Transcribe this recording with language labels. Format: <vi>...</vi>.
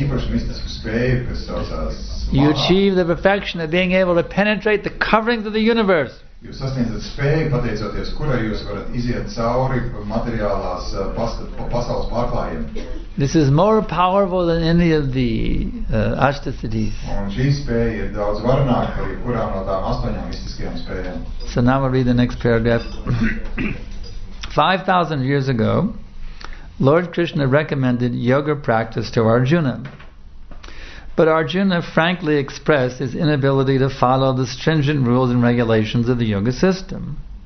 <en>You achieve the perfection of being able to penetrate the coverings of the universe.</en> <lv>Jūs sasniedzat spēju, pateicoties kurai jūs varat iziet cauri materiālās pasaules pārklājiem.</lv> <en>This is more powerful than any of the ashta cities.</en> <lv>Un šī spēja ir daudz varenāka par jebkurām no tām astoņām mistiskajām spējām.</lv> <en>So now we'll read the next paragraph. 5,000 years ago, Lord Krishna recommended yoga practice to Arjuna. But Arjuna frankly expressed his inability to follow the stringent rules and regulations of the yoga system.</en>